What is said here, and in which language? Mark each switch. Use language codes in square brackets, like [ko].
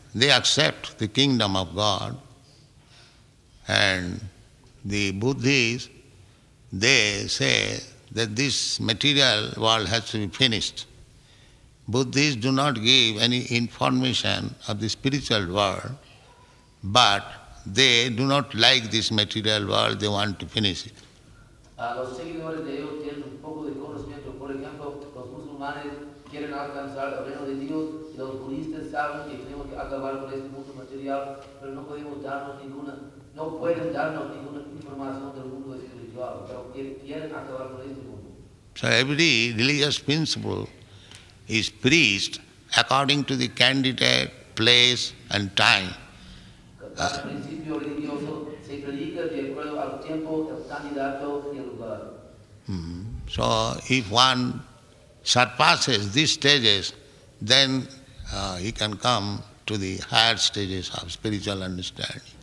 [en] They accept the kingdom of God, and the Buddhists, they say that this material world has to be finished. Buddhists do not give any information of the spiritual world, but they do not like this material world, they want to finish it. [es] Los seguidores de ellos tienen un poco de conocimiento. Por ejemplo, los musulmanes quieren alcanzar el reino de Dios. Los budistas saben que tenemos que acabar con este mundo material, pero no podemos darnos ninguna, no pueden darnos ninguna información del mundo espiritual, pero quieren acabar con este mundo. [en] So every religious principle is preached according to the candidate, place and time. [es] Al principio religioso se predica de acuerdo al tiempo, el candidato y el lugar. [en] So if one surpasses these stages, then he can come to the higher stages of spiritual understanding.